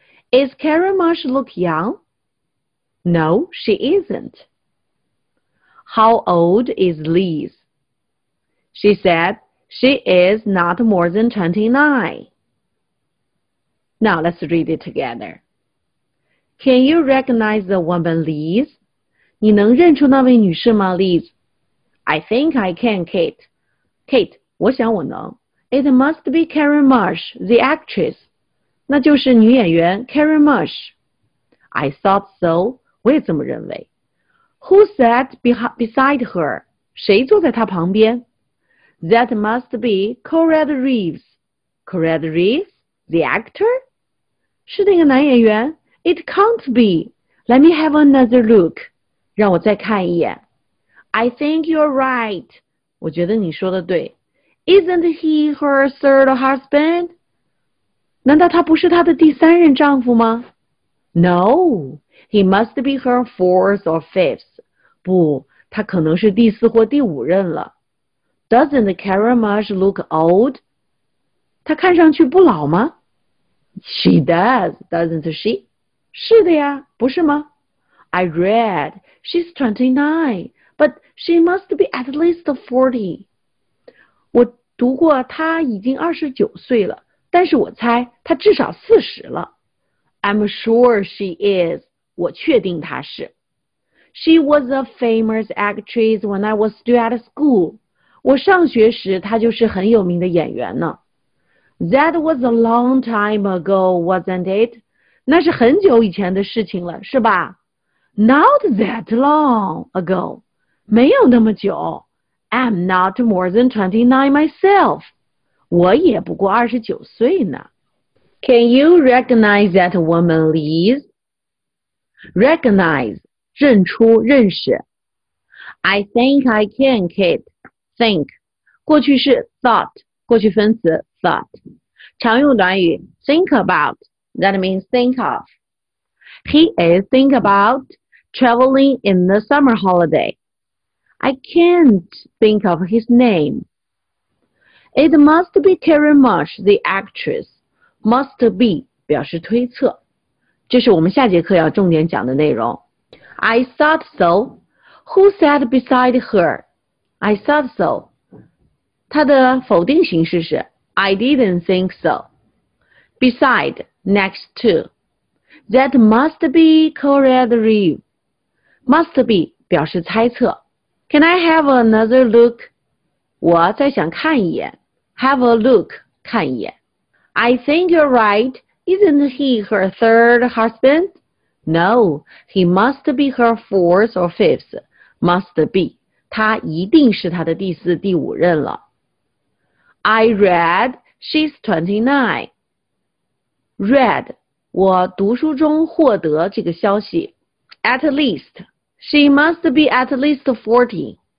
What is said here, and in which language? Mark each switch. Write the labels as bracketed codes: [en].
[en] Is Carrie Marsh look young? No, she isn't. How old is Liz? She said she is not more than 29. Now let's read it together. Can you recognize the woman Liz? [zh] 你能认出那位女士吗 Liz? [en] I think I can, Kate. Kate, [zh] 我想我能。 [en] It must be Carrie Marsh, the actress. [zh] 那就是女演员 Carrie Marsh. [en] I thought so. [zh] 我也这么认为。 [en] Who sat beside her? [zh] 谁坐在她旁边? [en] That must be Conrad Reeves. Conrad Reeves? The actor? [zh] 是那个男演员? [en] It can't be. Let me have another look. [zh] 让我再看一眼。 [en] I think you're right. [zh] 我觉得你说的对。 [en] Isn't he her third husband? [zh] 难道他不是她的第三任丈夫吗? [en] No, he must be her fourth or fifth. [zh] 不,他可能是第四或第五任了。 [en] Doesn't Carrie Marsh look old? [zh] 他看上去不老吗? [en] She does, doesn't she? [zh] 是的呀,不是吗? [en] I read, she's 29, but she must be at least 40. [zh] 我读过她已经29岁了,但是我猜她至少40了。 [en] I'm sure she is. [zh] 我确定她是。 [en] She was a famous actress when I was still at school. [zh] 我上学时她就是很有名的演员呢。 [en] That was a long time ago, wasn't it? [zh] 那是很久以前的事情了，是吧? [en] Not that long ago. [zh] 没有那么久。 [en] I'm not more than 29 myself. [zh] 我也不过29岁呢。 [en] Can you recognize that woman, Liz? Recognize, [zh] 认出认识。 [en] I think I can, Kate. Think, [zh] 过去式 [en] thought, [zh] 过去分词 [en] thought. [zh] 常用短语 [en] think about, that means think of. He is think about traveling in the summer holiday. I can't think of his name. It must be Carrie Marsh, the actress. Must be, [zh] 表示推测。这是我们下节课要重点讲的内容。 [en] I thought so. Who sat beside her? I thought so. [zh] 它的否定形式是 [en] I didn't think so. Beside, next to. That must be Conrad Reeves. Must be, [zh] 表示猜测。 [en] Can I have another look? [zh] 我再想看一眼。 [en] Have a look, [zh] 看一眼。 [en] I think you're right. Isn't he her third husband? No, he must be her fourth or fifth. Must be. [zh] 他一定是他的第四、第五任了。 [en] I read, she's 29. Read, [zh] 我读书中获得这个消息。 [en] At least, she must be at least 40.